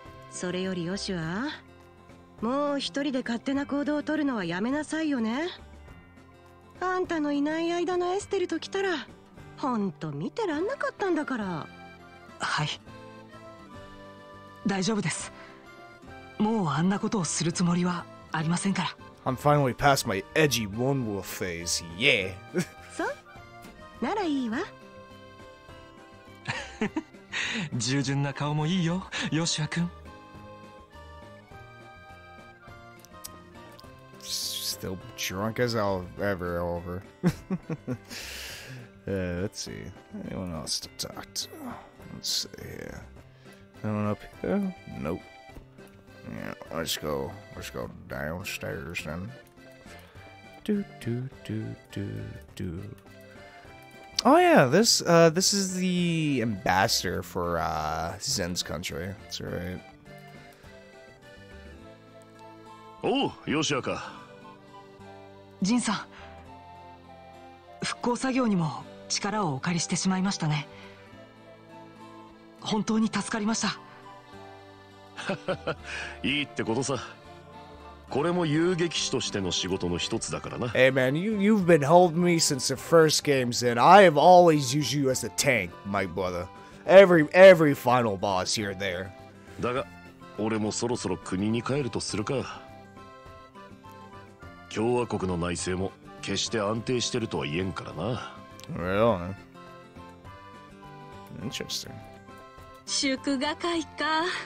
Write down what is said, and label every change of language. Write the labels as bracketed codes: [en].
[ja] それよりヨシュア、もう一人で勝手な行動を取るのはやめなさいよね。あんたのいない間のエステルと来たら、ほんと見てらんなかったんだから。はい、大丈夫です。もうあんなことをするつもりはありませんから。 [en] I'm finally past my edgy one wolf phase, yeah. [ja] そう、ならいいわ。従順な顔もいいよ、ヨシュア君。 [en] Still drunk as ever, however. let's see. Anyone else to talk to? Let's see here. Anyone up here? Nope. Yeah, let's go downstairs then. Do, do, do, do, do. Oh, yeah, this is the ambassador for Zen's country. That's right. Oh, Yoshiaka. [ja] ジンさん、復興作業にも力をお借りしてしまいましたね。本当に助かりました。いいってことさ。これも遊撃士としての仕事の一つだからな。 [en] Hey man, you've been holding me since the first game, Zen. I have always used you as a tank, my brother. Every final boss here, there. [ja] だが俺もそろそろ国に帰るとするか。共和国の内政も決して安定してるとは言えんからな。 [en] Really? Interesting. [ja] 祝賀会か。